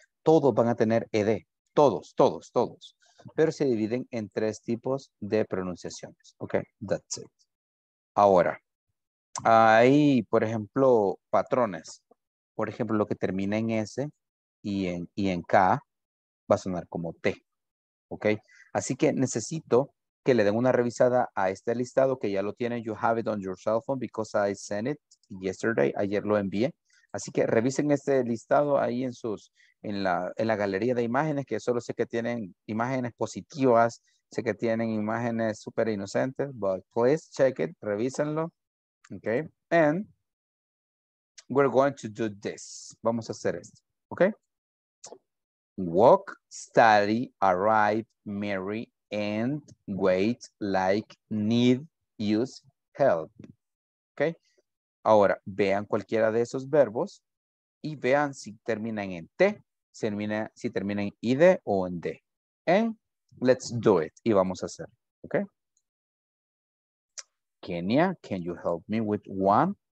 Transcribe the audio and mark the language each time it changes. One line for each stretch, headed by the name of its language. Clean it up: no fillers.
Spanish: Todos van a tener ED, todos. Pero se dividen en tres tipos de pronunciaciones.
English: Ok, that's it.
Spanish: Ahora, hay, por ejemplo, patrones. Por ejemplo, lo que termina en S y en K va a sonar como T. ¿Ok? Así que necesito que le den una revisada a este listado que ya lo tienen.
English: You have it on your cell phone because I sent it yesterday.
Spanish: Ayer lo envié. Así que revisen este listado ahí en la galería de imágenes, que solo sé que tienen imágenes positivas, sé que tienen imágenes súper inocentes,
English: but please check it,
Spanish: revísenlo.
English: Okay, and we're going to do this.
Spanish: Vamos a hacer esto, okay?
English: Walk, study, arrive, marry, and wait, like, need, use, help. Okay?
Spanish: Ahora, vean cualquiera de esos verbos y vean si terminan en T, si terminan en ID o en D.
English: And let's do it.
Spanish: Y vamos a hacer.
English: ¿Ok? Kenia, can you help me with one?